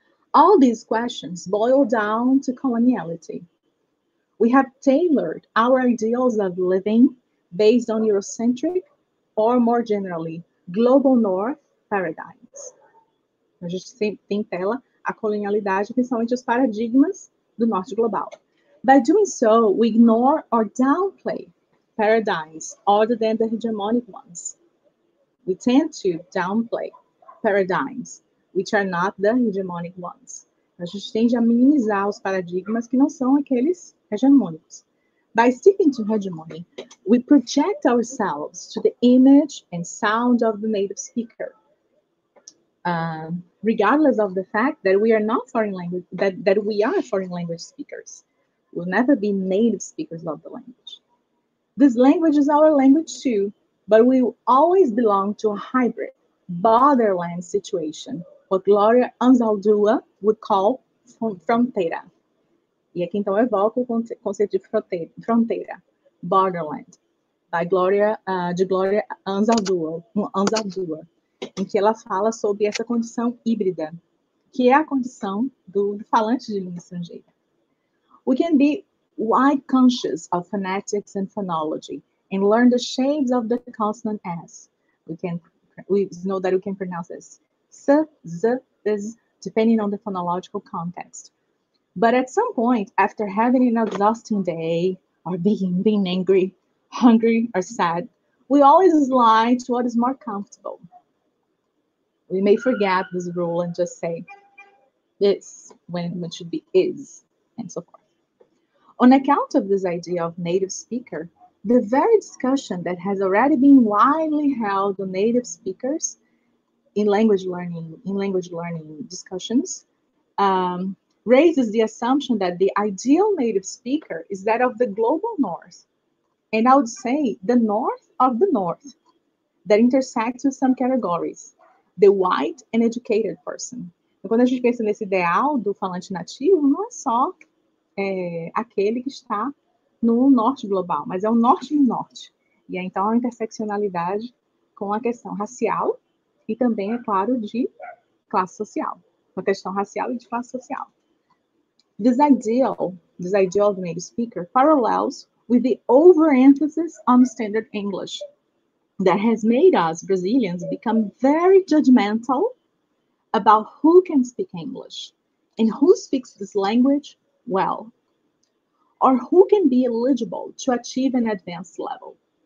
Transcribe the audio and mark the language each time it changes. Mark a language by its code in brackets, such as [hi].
[en] All these questions boil down to coloniality. We have tailored our ideals of living based on Eurocentric or more generally, global North paradigms. [pt] A gente sempre tem tela a colonialidade, principalmente os paradigmas do norte global. [en] By doing so, we ignore or downplay paradigms other than the hegemonic ones. We tend to downplay paradigms which are not the hegemonic ones. [pt] A gente tende a minimizar os paradigmas que não são aqueles hegemônicos. [en] By sticking to hegemony, we project ourselves to the image and sound of the native speaker. Regardless of the fact that we are not foreign language, that we are foreign language speakers, we'll never be native speakers of the language. This language is our language too, but we will always belong to a hybrid, borderland situation, what Gloria Anzaldúa would call frontera. [pt] E aqui então evoco o conceito de fronteira, borderland, de Gloria Anzaldúa, em que ela fala sobre essa condição híbrida, que é a condição do falante de língua estrangeira. [en] We can be wide conscious of phonetics and phonology and learn the shades of the consonant S. We know that we can pronounce this S, Z, Z, depending on the phonological context. But at some point, after having an exhausting day, or being angry, hungry, or sad, we always slide to what is more comfortable. We may forget this rule and just say this when it should be is, and so forth. On account of this idea of native speaker, the very discussion that has already been widely held on native speakers in language learning discussions, raises the assumption that the ideal native speaker is that of the global north, and I would say the north of the north, that intersects with some categories, the white and educated person. [pt] E quando a gente pensa nesse ideal do falante nativo, não é só aquele que está no norte global, mas é o norte do norte. E aí, então, a interseccionalidade com a questão racial e também, é claro, de classe social, com a questão racial e de classe social. [en] This ideal of the native speaker parallels with the overemphasis on standard English that has made us Brazilians become very judgmental about who can speak English and who speaks this language well, or who can be eligible to achieve an advanced level.